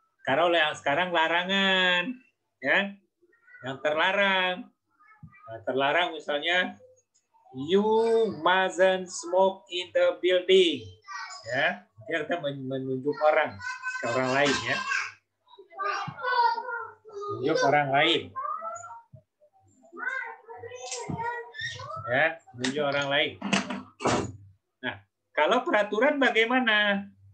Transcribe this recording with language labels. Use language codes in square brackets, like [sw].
[id] Karena yang sekarang larangan, ya. Yang terlarang. Terlarang misalnya [en] you mustn't smoke in the building. [id] Ya, dia kita menunjuk orang ke orang lain ya. Menunjuk orang lain. Ya, menunjuk orang lain. Nah, kalau peraturan bagaimana?